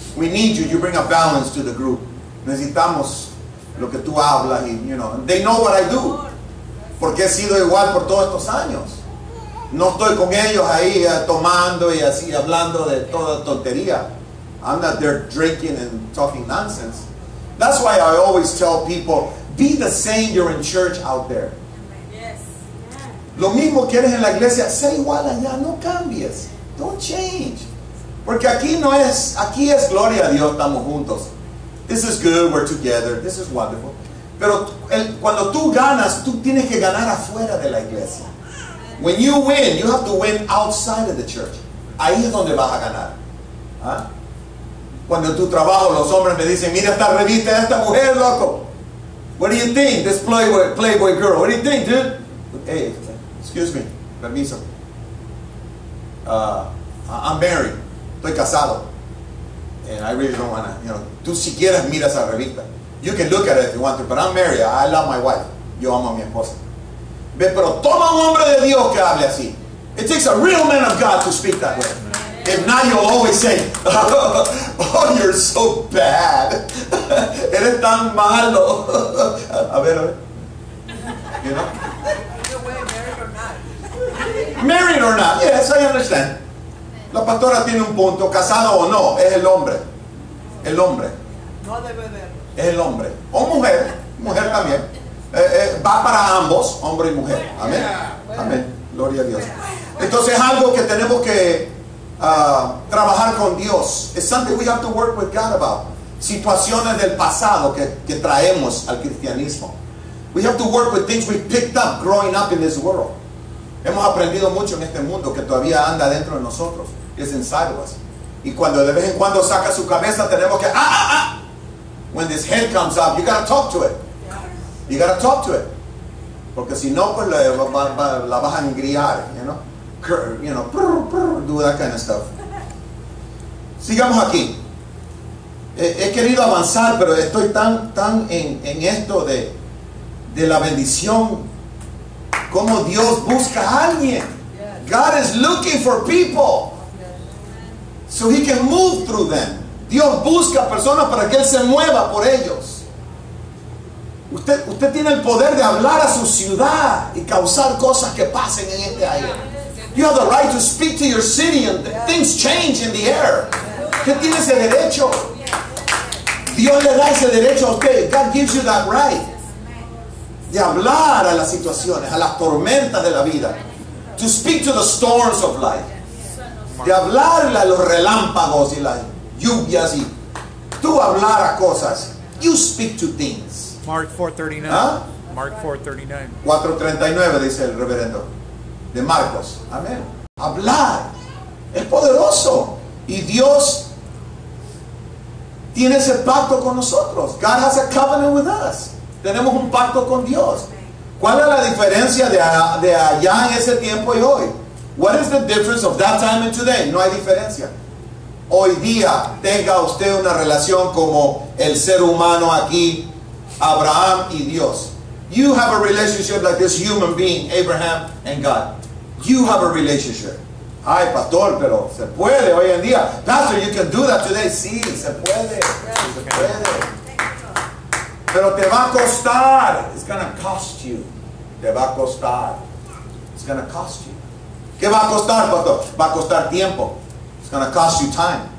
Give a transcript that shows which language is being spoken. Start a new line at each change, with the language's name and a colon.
English: We need you, you bring a balance to the group.
Spanish: Necesitamos lo que tú hablas,
English: y, you know, they know what I do.
Spanish: Porque he sido igual por todos estos años. No estoy con ellos ahí tomando y así hablando de toda tontería.
English: I'm not there drinking and talking nonsense. That's why I always tell people, be the same you're in church out there.
Spanish: Lo mismo que eres en la iglesia, sé igual allá, no cambies.
English: Don't change.
Spanish: Porque aquí no es, aquí es gloria a Dios, estamos juntos.
English: This is good, we're together, this is wonderful.
Spanish: Pero cuando tú ganas, tú tienes que ganar afuera de la iglesia.
English: When you win, you have to win outside of the church.
Spanish: Ahí es donde vas a ganar. ¿Ah? Cuando en tu trabajo los hombres me dicen, mira esta revista de esta mujer, loco.
English: What do you think, this playboy girl? What do you think, dude? Hey, excuse me, permiso. I'm married.
Spanish: Estoy casado.
English: And I really don't wanna, you know,
Spanish: tú si quieres mira esa revista.
English: You can look at it if you want to, but I'm married. I love my wife.
Spanish: Yo amo a mi esposa. Ve, pero toma un hombre de Dios que hable así.
English: It takes a real man of God to speak that way. If not, you'll always say, oh, you're so bad.
Spanish: Eres tan malo. A ver.
English: You know? Married or not? Yes, I understand.
Spanish: La pastora tiene un punto. Casado o no, es el hombre. El hombre. No debe verlo. Es el hombre. O mujer. Mujer también. Va para ambos, hombre y mujer. Amén. Amén. Gloria a Dios. Entonces es algo que tenemos que trabajar con Dios.
English: It's something we have to work with God about.
Spanish: Situaciones del pasado que traemos al cristianismo.
English: We have to work with things we picked up growing up in this world.
Spanish: Hemos aprendido mucho en este mundo que todavía anda dentro de nosotros. Es en salvas. Y cuando de vez en cuando saca su cabeza, tenemos que,
English: when this head comes up, you gotta talk to it.
Spanish: You gotta talk to it. Porque si no, pues la vas a engriar, you know.
English: You know, do that kind of stuff.
Spanish: Sigamos aquí. He querido avanzar, pero estoy tan en esto de la bendición. Como Dios busca a alguien.
English: God is looking for people so he can move through them.
Spanish: Dios busca personas para que él se mueva por ellos. Usted tiene el poder de hablar a su ciudad y causar cosas que pasen en este aire.
English: You have the right to speak to your city and things change in the air.
Spanish: ¿Qué tiene ese derecho? Dios le da ese derecho a usted.
English: God gives you that right.
Spanish: De hablar a las situaciones, a las tormentas de la vida.
English: To speak to the storms of life.
Spanish: De hablarle a los relámpagos y las lluvias. Y tú hablar a cosas.
English: You speak to things. Mark 4:39
Spanish: dice el reverendo. De Marcos, amén. Hablar es poderoso y Dios tiene ese pacto con nosotros.
English: God has a covenant with us.
Spanish: Tenemos un pacto con Dios. ¿Cuál es la diferencia de allá en ese tiempo y hoy?
English: What is the difference of that time and today?
Spanish: No hay diferencia. Hoy día tenga usted una relación como el ser humano aquí, Abraham y Dios.
English: You have a relationship like this human being, Abraham and God. You have a relationship.
Spanish: Ay, pastor, pero se puede hoy en día.
English: Pastor, you can do that today.
Spanish: Sí, se puede. Se puede. Pero te va a costar.
English: It's going to cost you.
Spanish: Te va a costar.
English: It's going to cost you.
Spanish: ¿Qué va a costar, pastor? Va a costar tiempo.
English: It's going to cost you time.